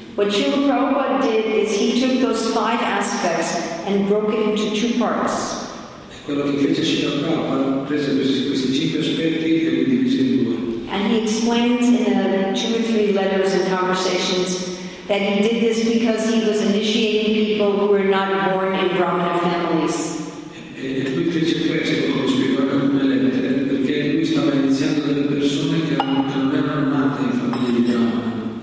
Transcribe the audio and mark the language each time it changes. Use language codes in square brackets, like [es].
[en] What Srila Prabhupada did is he took those five aspects and broke it into two parts. [it] Quello che fece Srila Prabhupada, prese questi cinque aspetti e li divise in due. [en] And he explains in two or three letters and conversations that he did this because he was initiating people who were not born in Brahmana families. [it] E lui fece questo, lo spiegò in una lettera, perché lui stava iniziando delle persone che non erano nate in famiglie di Brahmana.